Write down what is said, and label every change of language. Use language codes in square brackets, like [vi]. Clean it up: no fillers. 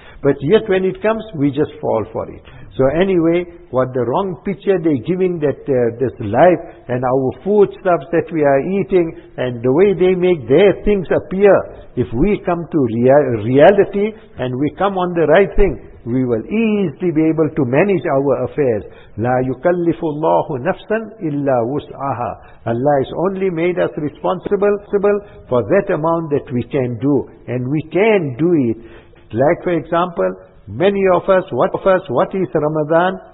[en] But yet when it comes, we just fall for it. So anyway, what the wrong picture they're giving that this life and our foodstuffs that we are eating and the way they make their things appear, if we come to reality and we come on the right thing, we will easily be able to manage our affairs. [ar] لا يكلف الله نفسا إلا وسعها. [en] Allah has only made us responsible for that amount that we can do. And we can do it. Like, for example, many of us, what is Ramadan?